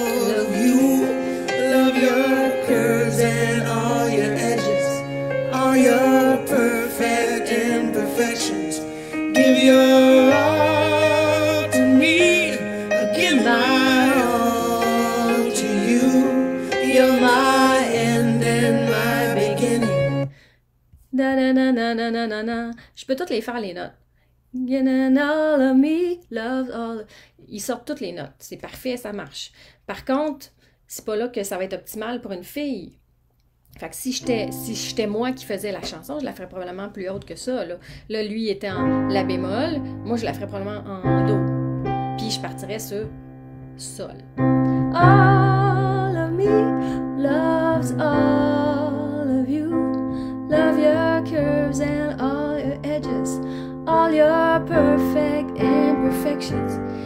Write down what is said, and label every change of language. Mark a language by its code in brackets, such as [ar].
[en] Love you, love your curves and all your edges, all your perfect imperfections. Give your all to me, I give my all to you. You're my end and my beginning. Na na na na na na na na. [fr] Je peux toutes les faire les notes. [en] All of me, love all. [fr] Ils sortent toutes les notes. C'est parfait, ça marche. Par contre, c'est pas là que ça va être optimal pour une fille. Fait que si j'étais moi qui faisais la chanson, je la ferais probablement plus haute que ça. Là, lui était en la bémol. Moi, je la ferais probablement en do. Puis je partirais sur sol. [en] All of me loves all of you. Love your curves and all your edges. All your perfect imperfections.